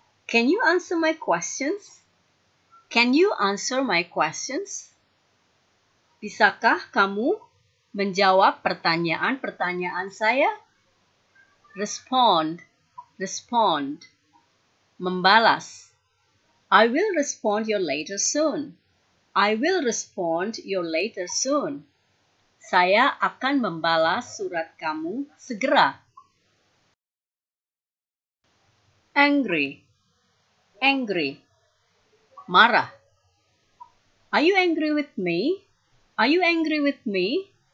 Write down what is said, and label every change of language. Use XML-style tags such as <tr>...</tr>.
<en>Can you answer my questions? Can you answer my questions?</en> <id>Bisakah kamu menjawab pertanyaan-pertanyaan saya?</id> <en>Respond, respond, membalas. I will respond your later soon. I will respond your later soon.</en> <id>Saya akan membalas surat kamu segera.</id> <en>Angry, angry, marah. Are you angry with me? Are you angry with me?</en>